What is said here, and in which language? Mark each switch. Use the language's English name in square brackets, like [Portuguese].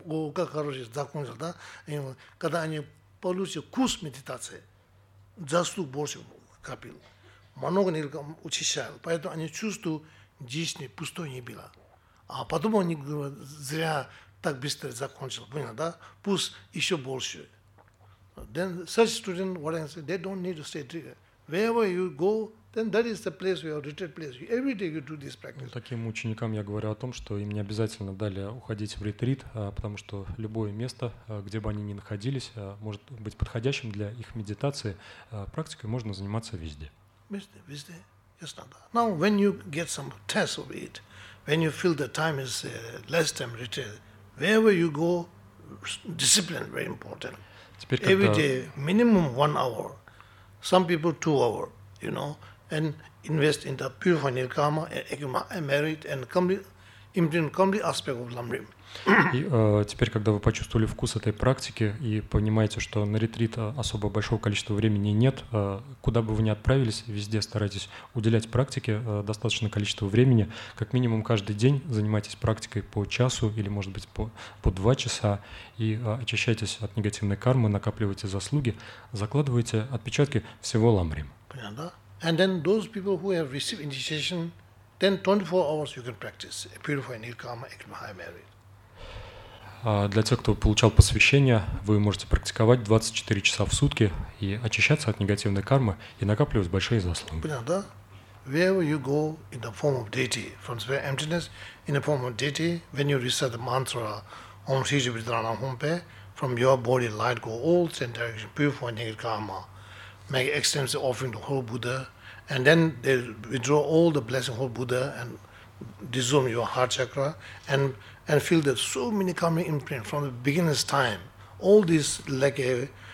[Russian] О, как хорошо, закончил, да? Когда они получили курс медитации, заслуг больше копил, много учащал, поэтому они чувствуют, действительно пустой не было. А потом они говорят, зря так быстро закончил, понял, да? Пусть еще больше. [English] Then such students, what I say, they don't need to stay there. Wherever you go, then that is the place where you are, retreat place. Every day you do this practice. [Russian] Ну, таким ученикам я говорю о том, что им не обязательно далее уходить в ретрит, потому что любое место, где бы они ни находились, может быть подходящим для их медитации. Практикой можно заниматься везде. Везде, [English] yes, [Russian] да. [English] Now, when you get some test of it, when you feel the time is less time retreat, wherever you go, discipline very important. [Russian] Теперь, [English] every day, minimum 1 hour, some people 2 hour, you know, and invest in the purifying nirkama, accumulate merit, and complete aspect of Lamrim. [Russian] И теперь, когда вы почувствовали вкус этой практики и понимаете, что на ретрит особо большого количества времени нет, куда бы вы ни отправились, везде старайтесь уделять практике достаточное количество времени. Как минимум каждый день занимайтесь практикой по часу или, может быть, по 2 часа и очищайтесь от негативной кармы, накапливайте заслуги, закладывайте отпечатки всего Ламрим. Понятно, да? [English] And then those people who have received initiation, then 24 hours you can practice purifying nirkama, accumulate merit. [Russian] Для тех, кто получал посвящение, вы можете практиковать 24 часа в сутки и очищаться от негативной кармы и накапливать большие заслуги. Понятно, да? [English] Wherever you go in the form of deity, from sphere emptiness, in the form of deity, when you recite the mantra Om Shri Shri Vidrana Humpe, from your body light go all ten directions, purify negative karma, make extensive offering to whole Buddha, and then they withdraw all the blessing of whole Buddha and dissolve your heart chakra, and feel that so many karmic imprint from the beginner's time, all this like a